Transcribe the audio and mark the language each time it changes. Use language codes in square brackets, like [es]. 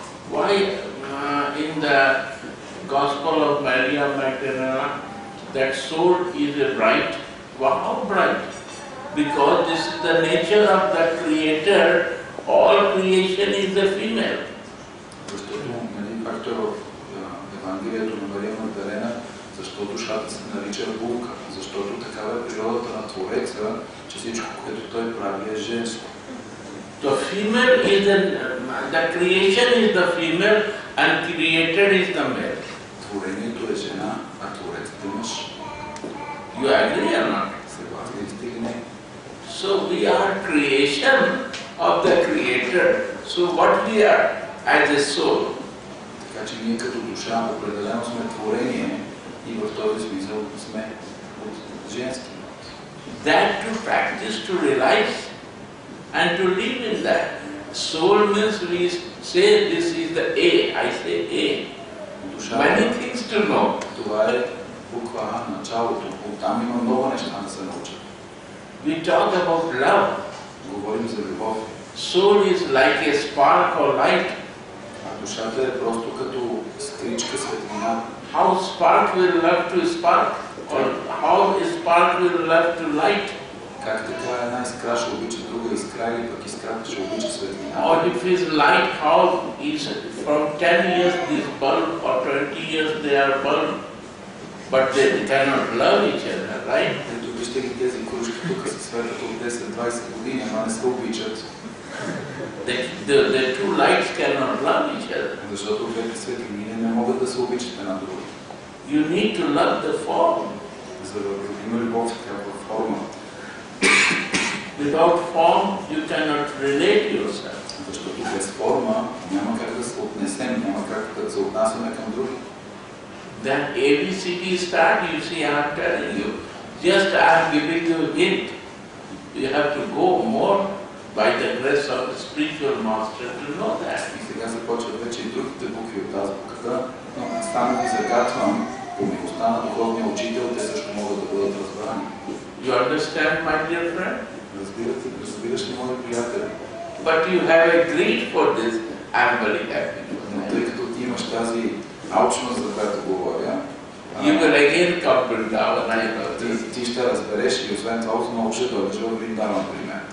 [en] Why in the Gospel of Maria Magdalena, that soul is a bright. Wow, bright. Because this is the nature of the Creator. All creation is a female. [bg] Защото нали фактор в Евангелието на Мария Магдалена, защо душата се нарича булка? Защото такава е природата на Твореца, че всичко, което той прави, е женско. [en] The female is the creation is the female and created is the male. [bg] Творението е жена, а Творецът е мъж. [en] You agree or not? [bg] Съгласни сте или не? [en] So we are creation of the Creator. So what we are as a soul? [bg] Така че ние като душа определено сме творение и в този смисъл сме от женски. [en] That to practice, to realize and to live in that. Soul means we say this is the A, I say A. Many things to know. [bg] Това е буква А, началото. Оттам има много неща да се научат. [en] We talk about love. [bg] Говорим за любов. [en] Soul is like a spark or light. [bg] А душата е просто като скричка светлина. [en] How spark will love to spark? Or how spark will love to light? [bg] Как така една искра ще обича друга искра или пък искрата ще обича светлина? [en] Or if it's light, how is from 10 years this bulb or 20 years they are bulb, but they cannot love each other, right? [bg] Ето вижте ги тези кружки тук се светят от 10-20 години, ама не се обичат. [en] The two lights cannot love each other. [bg] Защото двете светлини не могат да се обичат една друга. [en] You need to love the form. [bg] За да има любов, трябва форма. [en] Without form, you cannot relate yourself. [bg] Защото без форма няма как да се отнесем, няма как да се отнасяме към други. [en] Then ABCD start, you see, I'm telling you. Just I'm giving you a hint. You have to go more by the grace of the spiritual master to know that. [bg] И сега започват вече и другите букви от азбуката, но само ви загатвам, по милостта на духовния учител, те също могат да бъдат разбрани. [en] You understand, my dear friend? [bg] Разбираш ли, мой приятел? [en] But you have a greed for this, I'm very happy. [bg] Но тъй като ти имаш тази алчност, за която говоря, [en] you will again come Vrindavan, I know this. [bg] Ти ще разбереш и освен това отново ще дойдеш във Vrindavan при мен.